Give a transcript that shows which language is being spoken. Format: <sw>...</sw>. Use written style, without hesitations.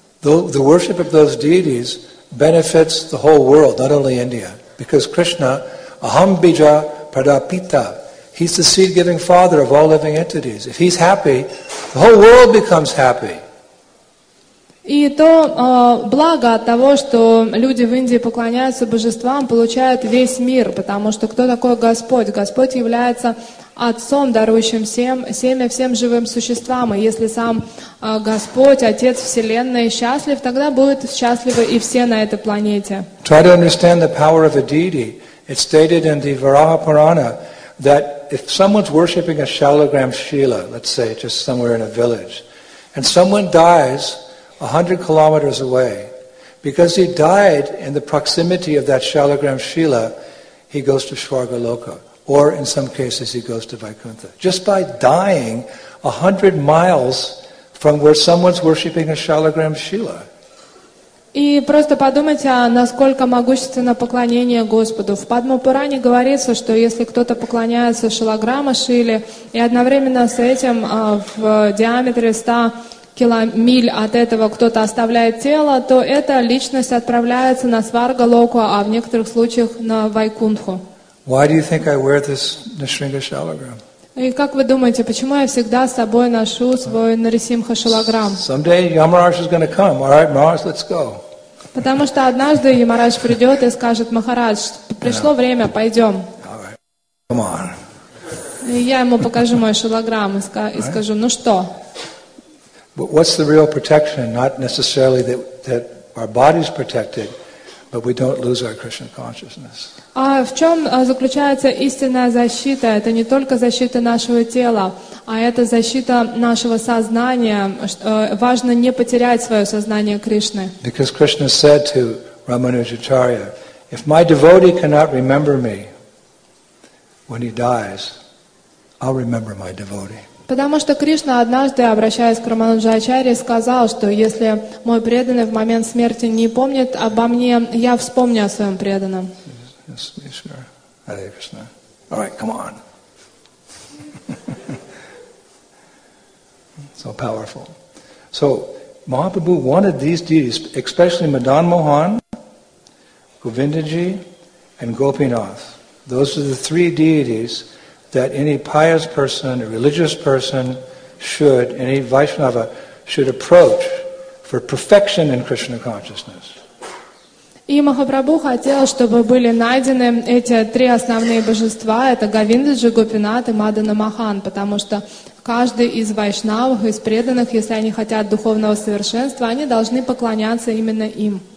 <en>The worship of those deities benefits the whole world, not only India, because Krishna,</en> <sa>aham bija pradapita,</sa> <en>he's the seed-giving father of all living entities. If he's happy, the whole world becomes happy.</en> <ru>И то благо от того, что люди в Индии поклоняются божествам, получают весь мир, потому что кто такой Господь? Господь является Отцом, дарующим всем семя всем живым существам. И если сам Господь, Отец Вселенной счастлив, тогда будут счастливы и все на этой планете.</ru> <en>Try to understand the power of a deity. It's stated in the Varaha Purana that if someone's worshipping a Shalagram Shila, let's say just somewhere in a village, and someone dies 100 kilometers away, because he died in the proximity of that Shalagram Shila, he goes to Swargaloka. Or in some cases he goes to Vaikuntha. Just by dying 100 miles from where someone's worshipping a Shalagram Shila.</en> <ru>И просто подумайте, насколько могущественно поклонение Господу. В Падмапуране говорится, что если кто-то поклоняется Шалаграма Шиле, и одновременно с этим в диаметре 100 миль от этого кто-то оставляет тело, то эта личность отправляется на Сваргалоку, а в некоторых случаях на Вайкунтху.</ru> <en>Why do you think I wear this Nrisimha Shalagram?</en> <ru>И как вы думаете, почему я всегда с собой ношу свой Нрисимха Шалаграм?</ru> <en>Someday Yamaraj is going to come. All right, Maharaj, let's go.</en> <ru>Потому что однажды Ямарадж придет и скажет: Махарадж, пришло время, пойдем.</ru> <en>All right, come on.</en> <ru>И я ему покажу мой Шалаграм и скажу: ну что?</ru> <en>But what's the real protection? Not necessarily that our body's protected, but we don't lose our Krishna consciousness.</en> <ru>А в чем заключается истинная защита? Это не только защита нашего тела, а это защита нашего сознания. Важно не потерять свое сознание Кришны.</ru> <en>Because Krishna said to Ramanujacharya, if my devotee cannot remember me when he dies, I'll remember my devotee.</en> <ru>Потому что Кришна однажды, обращаясь к Рамануджачарье, сказал, что если мой преданный в момент смерти не помнит обо мне, я вспомню о своем преданном.</ru> <en>Yes, sure. Hare Krishna. All right, come on. so powerful. So Mahaprabhu wanted these deities, especially Madan Mohan, Govindaji, and Gopinath. Those are the three deities that any pious person, a religious person, should, any Vaishnava, should approach for perfection in Krishna consciousness.</en> <ru>И Махапрабху хотел, чтобы были найдены эти три основные божества, это Говиндаджи, Гопинат и Мадана Махан, потому что каждый из вайшнавов, из преданных, если они хотят духовного совершенства, они должны поклоняться именно им.</ru>